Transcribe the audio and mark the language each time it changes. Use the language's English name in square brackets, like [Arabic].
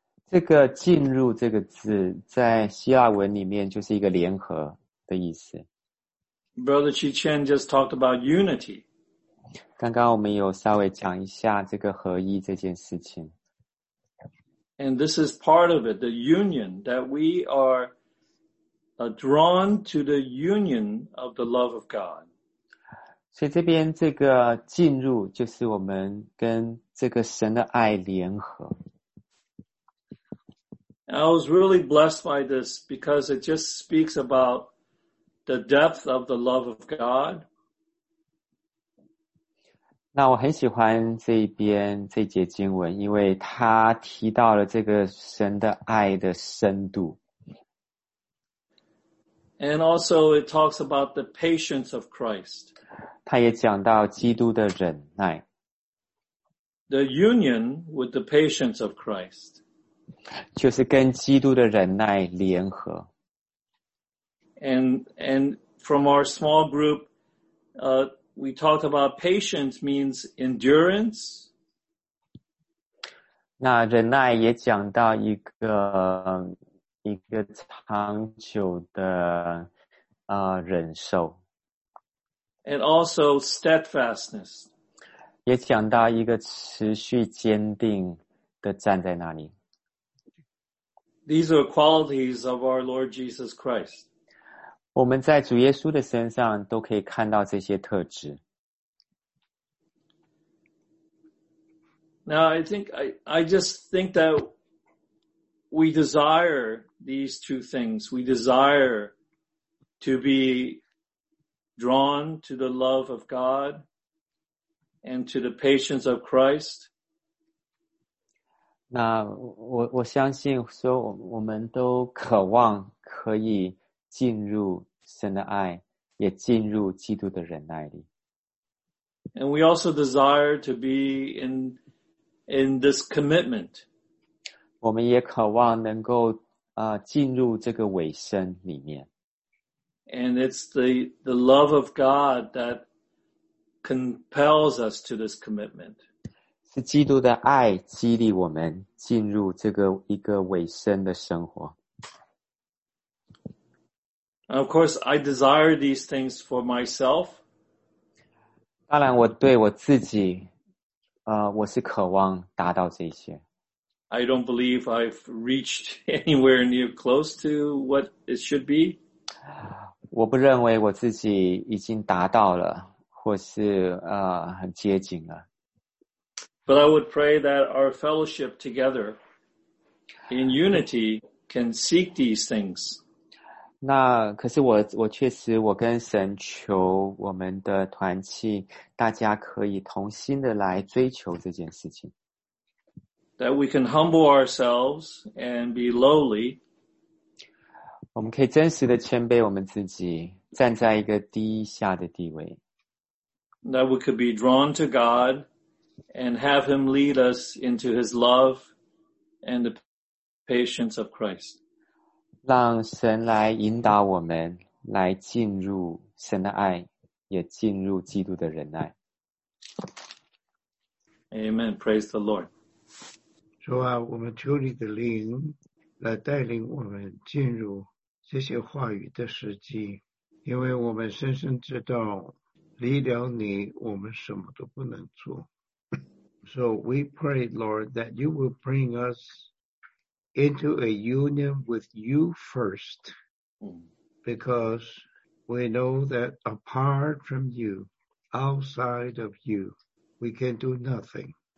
[Chinese] 这个进入这个字在希腊文里面就是一个联合的意思。 [English] Brother Chi Chen just talked about unity. [Chinese] 刚刚我们有稍微讲一下这个合一这件事情。 [English] And this is part of it, the union that we are drawn to the union of the love of God. [Chinese] 所以这边这个进入就是我们跟这个神的爱联合。 [English] I was really blessed by this because it just speaks about the depth of the love of God. [Chinese] 那我很喜欢这边这节经文，因为它提到了这个神的爱的深度。 [English] And also it talks about the patience of Christ. [Chinese] 他也讲到基督的忍耐。 [English] The union with the patience of Christ. [Chinese] 就是跟基督的忍耐联合。 [English] And from our small group, we talked about patience means endurance. [Chinese] 那忍耐也讲到一个长久的忍受。 [English] And also steadfastness. [Chinese] 也讲到一个持续坚定的站在那里。 [English] These are qualities of our Lord Jesus Christ. [Chinese] 我们在主耶稣的身上都可以看到这些特质。 [English] Now I think, I just think that we desire these two things. We desire to be drawn to the love of God and to the patience of Christ. [Chinese] 那我相信说我们都渴望可以进入神的爱，也进入基督的忍耐里。 [English] And we also desire to be in this commitment. [Chinese] 我们也渴望能够进入这个委身里面。 [English] And it's the love of God that compels us to this commitment. [Chinese] 是基督的爱激励我们进入这个一个委身的生活。 [English] And of course, I desire these things for myself. [Chinese] 当然我对我自己我是渴望达到这些。 [English] I don't believe I've reached anywhere near close to what it should be. [Chinese] 我不认为我自己已经达到了，或是很接近了。 [English] But I would pray that our fellowship together in unity can seek these things. [Chinese] 那可是我确实我跟神求我们的团契，大家可以同心的来追求这件事情。 [English] That we can humble ourselves and be lowly. [Chinese] 我们可以真实的谦卑我们自己，站在一个低下的地位。 [English] That we could be drawn to God and have him lead us into his love and the patience of Christ. [Chinese] 让神来引导我们来进入神的爱也进入基督的仁爱。 [English] Amen. Praise the Lord. [Chinese] 主啊，我们求你的灵来带领我们进入这些话语的时机，因为我们深深知道离了你我们什么都不能做。 [English] So we pray, Lord, that you will bring us into a union with you first, because we know that apart from you, outside of you, we can do nothing.